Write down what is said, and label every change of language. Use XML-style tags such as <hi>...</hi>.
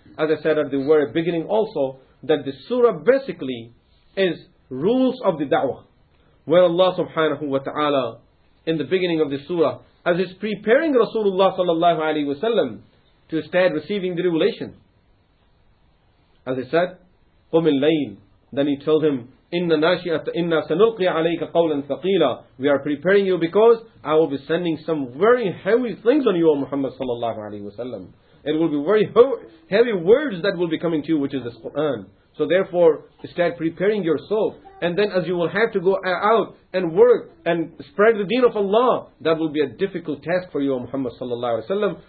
<en>As I said at the very beginning also, that the surah basically is rules of the da'wah, where Allah subhanahu wa ta'ala in the beginning of the surah, as it's preparing Rasulullah sallallahu alayhi wa sallam to start receiving the revelation. As he said,</en> <ar>قُمِ اللَّيْلِ.</ar> <en>Then he told him,</en> <ar>إِنَّ نَاشِئَةَ إِنَّا سَنُلْقِي عَلَيْكَ قَوْلًا ثَقِيلًا.</ar> <en>We are preparing you because I will be sending some very heavy things on you, O Muhammad sallallahu alayhi wa sallam. It will be very heavy words that will be coming to you, which is this Qur'an. So therefore, start preparing yourself. And then as you will have to go out and work and spread the deen of Allah, that will be a difficult task for you, O Muhammad sallallahu alayhi wa sallam.</en>